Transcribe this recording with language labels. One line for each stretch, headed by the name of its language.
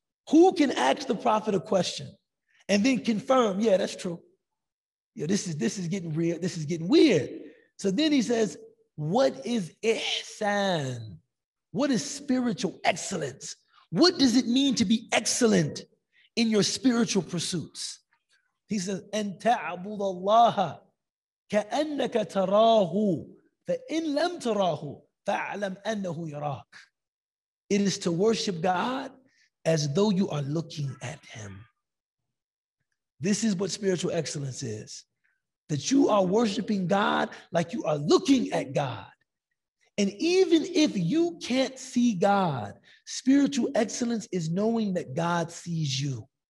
English: Who can ask the Prophet a question and then confirm, yeah, that's true. Yo, this is getting real. This is getting weird. So then he says, what is ihsan? What is spiritual excellence? What does it mean to be excellent in your spiritual pursuits? He says,
Arabic: أَن تَعْبُدَ اللَّهَ كَأَنَّكَ تَرَاهُ فَإِن لَمْ تَرَاهُ فَأَعْلَمْ أَنَّهُ يَرَاكُ.
English: It is to worship God as though you are looking at him. This is what spiritual excellence is. That you are worshiping God like you are looking at God. And even if you can't see God, spiritual excellence is knowing that God sees you.